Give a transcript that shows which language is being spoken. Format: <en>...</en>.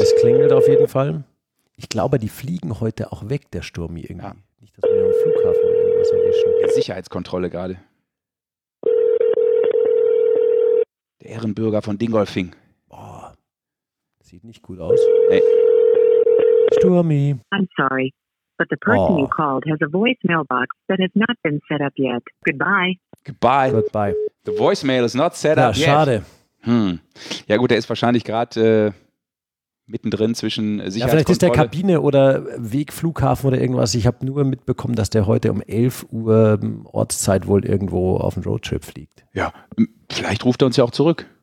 <de>Es klingelt auf jeden Fall. Ich glaube, die fliegen heute auch weg, der Sturmi irgendwie. Ja. Nicht, dass wir am Flughafen irgendwas erwischen. Die Sicherheitskontrolle gerade. Der Ehrenbürger von Dingolfing. Boah. Sieht nicht gut aus. Nee. Sturmi.</de> <en>I'm sorry, but the person you called has a voicemail box that has not been set up yet. Goodbye. Goodbye. Goodbye. The voicemail is not set</en> <de>ja,</de> <en>up yet.</en> <de>Ja, schade. Ja gut, der ist wahrscheinlich gerade mittendrin zwischen Sicherheitskontrolle. Ja, vielleicht ist der Kabine oder Weg, Flughafen oder irgendwas. Ich habe nur mitbekommen, dass der heute um 11 Uhr Ortszeit wohl irgendwo auf dem Roadtrip fliegt. Ja, vielleicht ruft er uns ja auch zurück.</de>